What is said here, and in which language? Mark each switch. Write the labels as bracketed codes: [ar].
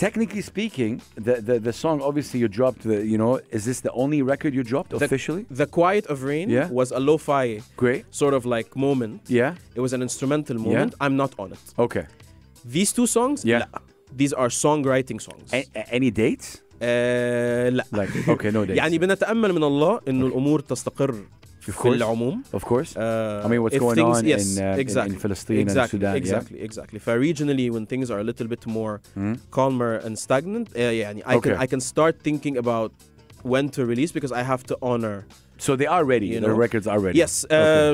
[en] Technically speaking, the song obviously you dropped. Is this the only record you dropped officially? The Quiet of Rain was a lo-fi sort of like moment. Yeah. It was an instrumental moment. Yeah. I'm not on it. Okay. These two songs, these are songwriting songs. Any dates? [ar] لا. [en] Like, okay, no dates. [ar] يعني بنتأمل من الله إنه الأمور تستقر في العموم. [en] Of course. I mean, what's going on in Palestine and Sudan? Exactly, exactly. For regionally, when things are a little bit more calmer and stagnant, I can start thinking about when to release because I have to honor. So they are ready. You know? The records are ready. Yes. Okay.